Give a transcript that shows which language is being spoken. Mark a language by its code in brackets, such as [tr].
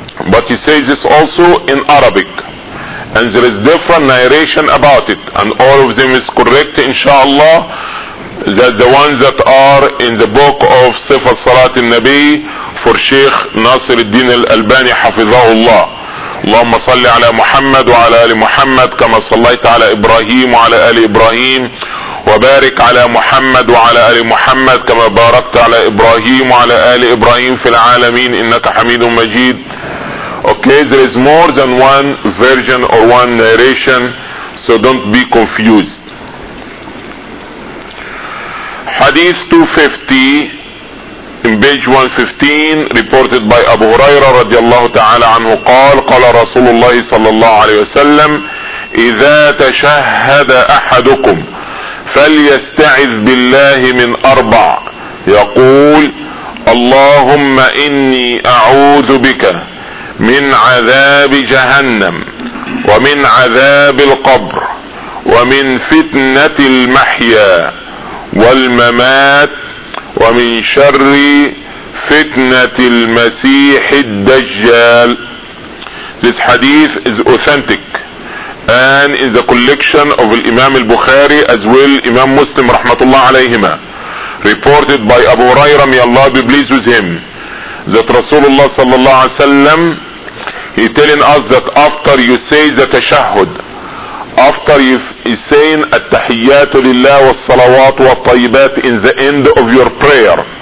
[en] But he says this also in Arabic, and there is different narration about it, and all of them is correct inshallah, that the ones that are in the book of Sifat Salat al-Nabi for Sheikh Nasir al-Din al-Albani hafizahullah. [ar] اللهم صل على محمد وعلى آل محمد كما صليت على إبراهيم وعلى آل إبراهيم وبارك على محمد وعلى آل محمد كما باركت على إبراهيم وعلى آل إبراهيم في العالمين إنك حميد مجيد. [en] Okay, there is more than one version or one narration, so don't be confused. Hadith 250 in page 115, reported by Abu Huraira radiallahu ta'ala anhu, qala Rasulullah sallallahu alayhi wa sallam, [ar] إذا تشهد أحدكم فليستعذ بالله من أربع, يقول اللهم إني أعوذ بك من عذاب جهنم ومن عذاب القبر ومن فتنة المحيا والممات ومن شر فتنة المسيح الدجال. [en] This hadith is authentic and in the collection of Imam al-Bukhari as well Imam Muslim rahmatullah alayhima, reported by Abu Hurairah, may Allah be pleased with him, that Rasulullah sallallahu alayhi wa sallam, he telling us that after you say the tashahud, after you is saying at-tahiyyatu lillah wa salawatu wa tayyibat in the end of your prayer,